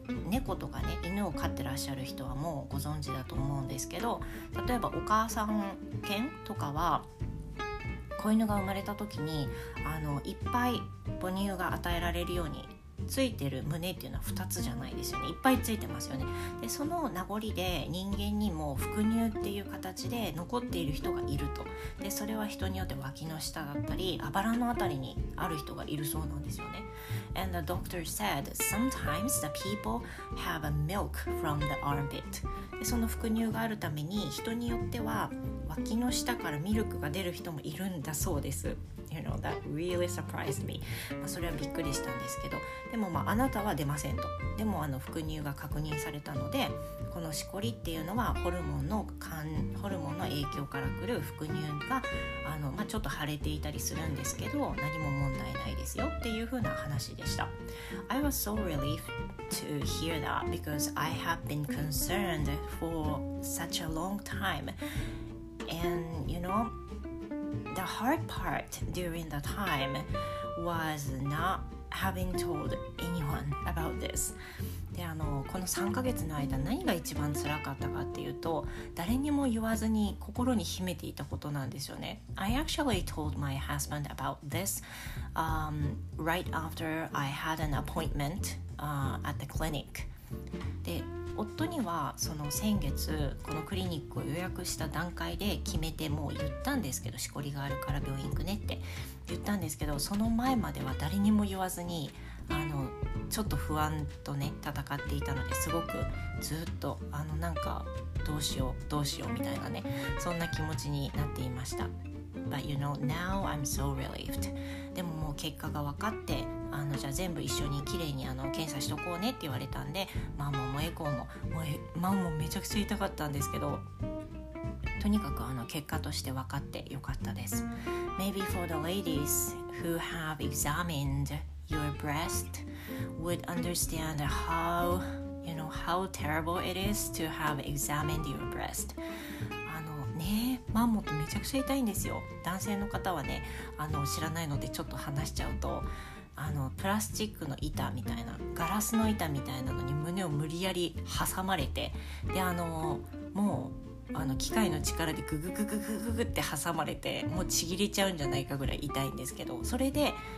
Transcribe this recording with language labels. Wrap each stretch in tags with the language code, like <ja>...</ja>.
<ja>猫とかね、犬を飼ってらっしゃる人はもうご存知だと思うんですけど、例えばお母さん犬とかは、子犬が生まれた時にいっぱい母乳が与えられるように、ついてる胸っていうのは2つじゃないですよねいっぱいついてますよねでその名残で人間にも副乳っていう形で残っている人がいるとでそれは人によって脇の下だったりあばらのあたりにある人がいるそうなんですよね</ja> <en>And the doctor said sometimes the people have a milk from the armpit</en> <ja>でその副乳があるために人によっては脇の下からミルクが出る人もいるんだそうです</ja> <en>You know, that really surprised me、</en> <ja>まあ、それはびっくりしたんですけどでもまああなたは出ませんとでも副乳が確認されたのでこのしこりっていうのはホルモンの影響からくる副乳がまあ、ちょっと腫れていたりするんですけど何も問題ないですよっていうふうな話でした</ja> <en>I was so relieved to hear that because I have been concerned for such a long time and you know the hard part during the time was notHaven't told anyone about this.</en> <ja>で、この3ヶ月の間、何が一番辛かったかっていうと、誰にも言わずに心に秘めていたことなんですよね。</ja> <en>I actually told my husband about this, right after I had an appointment, at the clinic.</en> <ja>で、夫にはその先月このクリニックを予約した段階で決めてもう言ったんですけど、しこりがあるから病院行くねって。言ったんですけど、その前までは誰にも言わずに、ちょっと不安とね、戦っていたので、すごくずっと、なんか、どうしようみたいなね、そんな気持ちになっていました。</ja> <en>But you know, now I'm so relieved.</en> <ja>でももう結果が分かって、じゃあ全部一緒にきれいに検査しとこうねって言われたんで、マンモもエコーも、もうマンモめちゃくちゃ痛かったんですけど、とにかく結果として分かってよかったです。</ja> <en>Maybe for the ladies who have examined your breast would understand how terrible it is to have examined your breast.</en> <ja>ねえ、マンモってめちゃくちゃ痛いんですよ。男性の方はね、知らないのでちょっと話しちゃうと、プラスチックの板みたいな、ガラスの板みたいなのに胸を無理やり挟まれて、で、もう、機械の力でグググググググって挟まれてもうちぎれちゃうんじゃないかぐらい痛いんですけどそれで</ja>